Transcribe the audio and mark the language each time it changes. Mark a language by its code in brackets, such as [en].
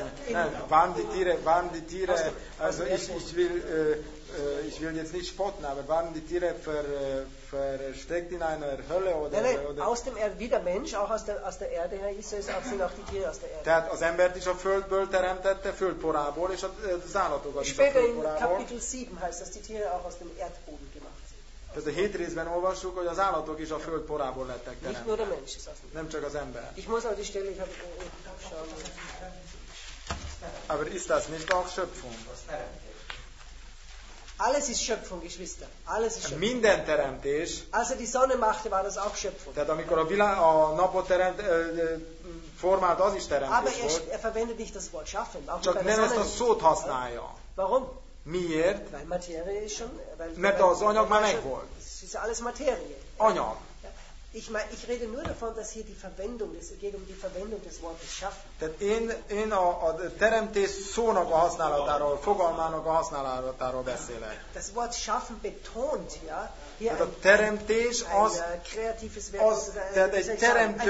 [de] Nein, waren die Tiere, also ich will jetzt nicht spotten, aber waren die Tiere versteckt in einer Hölle oder? Nein, aus dem Erd, wie der Mensch, auch aus der Erde her ist es, sind auch die Tiere aus der Erde. [hu] Tehát az embert is a földből teremtette, földporából, és az állatokat is a földporából. [de] Später in Kapitel 7 heißt, dass die Tiere auch aus dem Erdboden gemacht sind. [hu] Tehát a 7 részben olvassuk, hogy az állatok is a földporából lettek teremtve. [de] Nicht nur der Mensch, [hu] nem csak az ember. [de] Ich muss auf die Stelle, ich habe schauen. Aber ist das nicht auch Schöpfung? Alles ist Schöpfung, Geschwister. Alles ist Schöpfung. [hu] Minden teremtés. [de] Also die Sonne machte, war das auch Schöpfung. [hu] Tehát amikor a napot teremt, formált, az is teremtés. [de] Aber er verwendet nicht das Wort schaffen. Auch [hu] csak nem ezt a szót használja. [de] Warum? [hu] Miért? [de] Weil Materie ist schon, [hu] mert az anyag már megvolt. [de] Es ist alles Materie. [hu] Anyag. [de] Ich rede nur davon, dass hier die Verwendung, es geht um die Verwendung des Wortes schaffen. [hu] Tehát én a teremtés szónak a használatáról, fogalmának a használatáról beszélek. [de] Das Wort schaffen betont, ja, hier [hu] tehát a teremtés az, [de] ein kreatives Werk, [hu] az, tehát egy teremtő,